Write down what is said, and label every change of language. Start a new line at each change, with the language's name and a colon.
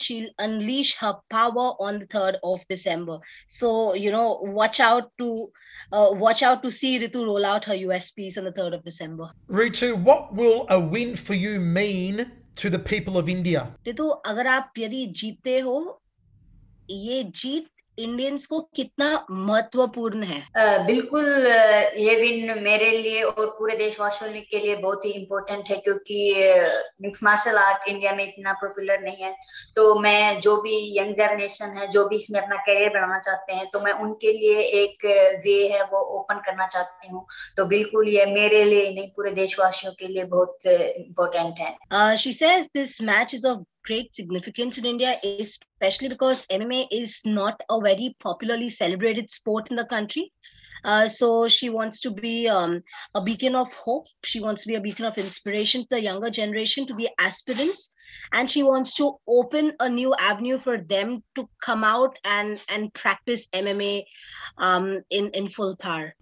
English: She'll unleash her power on the 3rd of December. So watch out to see Ritu roll out her USPs on the 3rd of December. Ritu, what will a win for you mean to the people of India?
Hindi: तो अगर आप यदि जीतते हो, ये जीत Indians को कितना महत्वपूर्ण है? बिल्कुल, ये विन मेरे लिए और पूरे देशवासियों के लिए बहुत ही इम्पोर्टेंट है, क्योंकि मिक्स मार्शल आर्ट इंडिया में इतना पॉपुलर नहीं है। तो मैं, जो भी यंग जनरेशन है, जो भी इसमें अपना करियर बनाना चाहते हैं, तो मैं उनके लिए एक वे है वो ओपन करना चाहती हूँ। तो बिल्कुल ये मेरे लिए नहीं, पूरे देशवासियों के लिए बहुत इम्पोर्टेंट है।
English: She says this match is of great significance in India, especially because MMA is not a very popularly celebrated sport in the country. So she wants to be a beacon of hope. She wants to be a beacon of inspiration to the younger generation, to the aspirants, and she wants to open a new avenue for them to come out and practice MMA in full power.